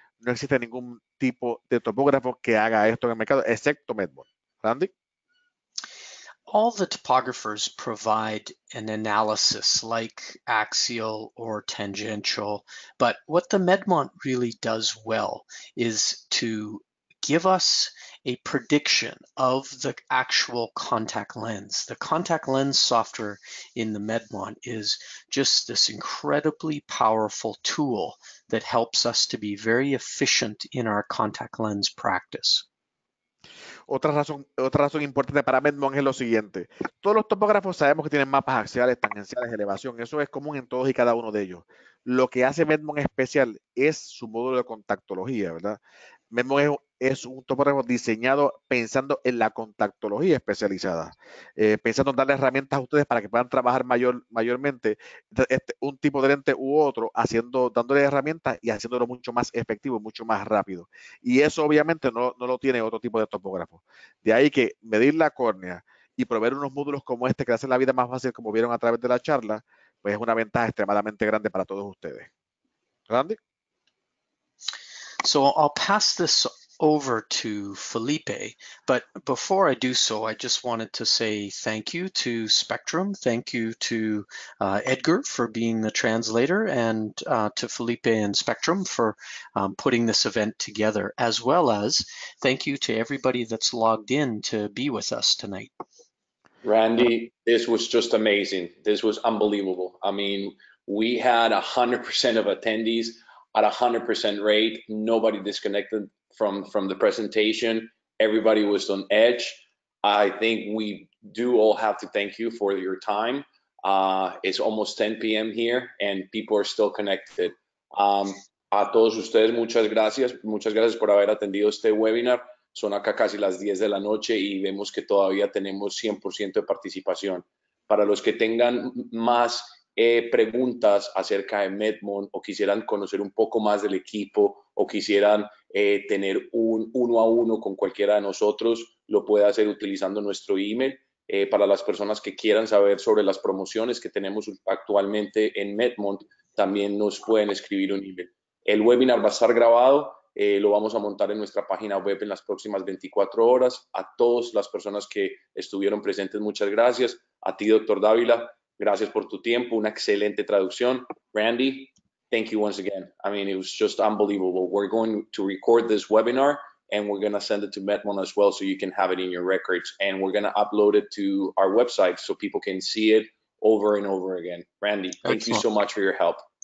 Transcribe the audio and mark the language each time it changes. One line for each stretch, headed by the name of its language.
Spanish: No existe ningún tipo de topógrafo que haga esto en el mercado, excepto Medmont. Randy.
English: All the topographers provide an analysis like axial or tangential, but what the MedMont really does well is to give us a prediction of the actual contact lens. The contact lens software in the MedMont is just this incredibly powerful tool that helps us to be very efficient in our contact lens practice.
Spanish: Otra razón importante para MedMont es lo siguiente. Todos los topógrafos sabemos que tienen mapas axiales, tangenciales, elevación. Eso es común en todos y cada uno de ellos. Lo que hace MedMont especial es su módulo de contactología, ¿verdad? MedMont es un topógrafo diseñado pensando en la contactología especializada, pensando en darle herramientas a ustedes para que puedan trabajar mayormente un tipo de lente u otro, dándole herramientas y haciéndolo mucho más efectivo, mucho más rápido. Y eso obviamente no lo tiene otro tipo de topógrafo. De ahí que medir la córnea y proveer unos módulos como este que hacen la vida más fácil, como vieron a través de la charla, pues es una ventaja extremadamente grande para todos ustedes. Randy.
English: So I'll pass this over to Felipe, but before I do so, I just wanted to say thank you to Spectrum, thank you to Edgar for being the translator, and to Felipe and Spectrum for putting this event together, as well as thank you to everybody that's logged in to be with us tonight. Randy, this was just amazing. This was unbelievable. I mean, we had 100% of attendees at 100% rate, nobody disconnected from the presentation. Everybody was on edge. I think we do all have to thank you for your time. It's almost 10 p.m. here and people are still connected.
Spanish: A todos ustedes, muchas gracias por haber atendido este webinar. Son acá casi las 10 de la noche y vemos que todavía tenemos 100% de participación. Para los que tengan más preguntas acerca de MedMont o quisieran conocer un poco más del equipo o quisieran tener un uno a uno con cualquiera de nosotros, lo puede hacer utilizando nuestro email. Para las personas que quieran saber sobre las promociones que tenemos actualmente en MedMont, también nos pueden escribir un email. El webinar va a estar grabado, lo vamos a montar en nuestra página web en las próximas 24 horas. A todas las personas que estuvieron presentes, muchas gracias. A ti, doctor Dávila, gracias por tu tiempo, una excelente traducción.
English: Randy, thank you once again. I mean, it was just unbelievable. We're going to record this webinar and we're going to send it to MedMont as well so you can have it in your records. And we're going to upload it to our website so people can see it over and over again. Randy, thank you so much for your help.